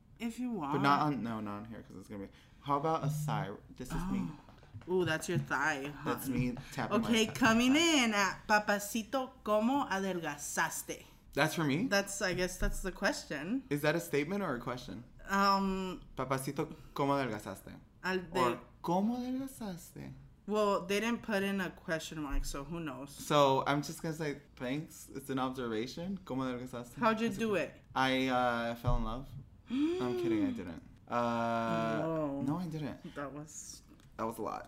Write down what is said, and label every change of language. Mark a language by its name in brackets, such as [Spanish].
[English] If you want. But not on, no, not on here because it's going to be. How about a thigh? This is me. Ooh, that's your thigh, huh? That's me tapping okay, my Okay, coming in at Papacito, [Spanish] ¿cómo adelgazaste? [English] That's for me? That's, I guess that's the question. Is that a statement or a question? [Spanish] Papacito, ¿cómo adelgazaste? ¿Cómo adelgazaste? [English] Well, they didn't put in a question mark, so who knows? So, I'm just going to say, thanks. It's an observation. [Spanish] ¿Cómo adelgazaste? [English] How'd you do it? I fell in love. No, I'm kidding, I didn't. No. No, I didn't. That was a lot.